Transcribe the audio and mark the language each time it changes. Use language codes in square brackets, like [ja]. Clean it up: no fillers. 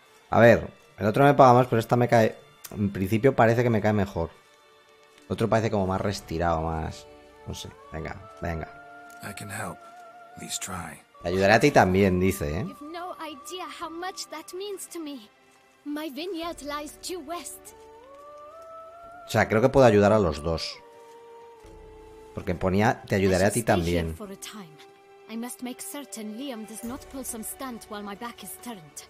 [es] A ver, el otro me paga más, pero esta me cae. En principio parece que me cae mejor. El otro parece como más restirado, más. No sé. Venga, venga. [en] I can help. Please try. [es] Te ayudaré a ti también, dice, ¿eh? [en] You have no idea how much that means to me. My vineyard lies due west. [es] O sea, creo que puedo ayudar a los dos. Porque ponía, te ayudaré a ti también. [en] I must make certain Liam does not pull some stunt while my back is turned.